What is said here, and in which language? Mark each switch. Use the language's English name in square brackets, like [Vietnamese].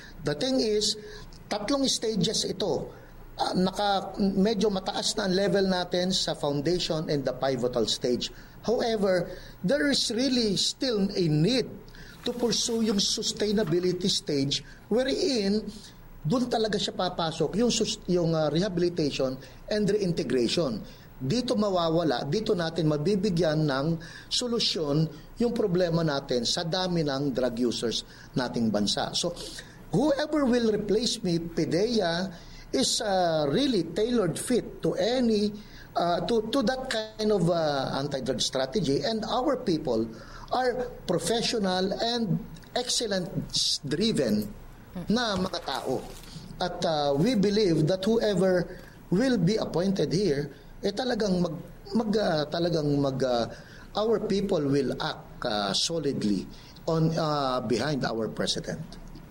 [English] The thing is, [Filipino] tatlong stages ito. Medyo mataas na ang level natin sa foundation and the pivotal stage. [English] However, there is really still a need to pursue yung sustainability stage wherein [Filipino] dun talaga siya papasok, [English] yung rehabilitation and reintegration. [Filipino] Dito mawawala, dito natin mabibigyan ng solusyon yung problema natin sa dami ng drug users nating bansa. [English] So, whoever will replace me, PDEA is really tailored fit to any to that kind of anti-drug strategy, and our people are professional and excellence driven [Filipino] na mga tao, [English] at we believe that whoever will be appointed here our people will act solidly on behind our president.